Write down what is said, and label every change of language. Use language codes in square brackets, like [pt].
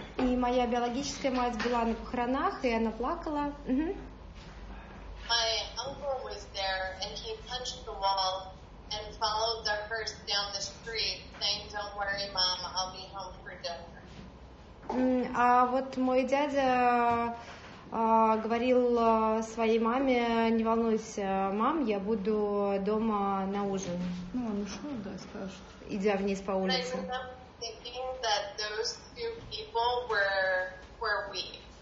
[ru] И моя биологическая мать была на похоронах, и она плакала. [en] My uncle was there, and he punched the wall and followed the hearse down the street, saying, "Don't worry, mom, I'll be home for dinner." [ru] А вот мой дядя говорил своей маме, не волнуйся, мам, я буду дома на ужин. Ну, он ушел, да, сказал, что... Идя вниз по улице. [en] And I remember thinking that those two people were weak.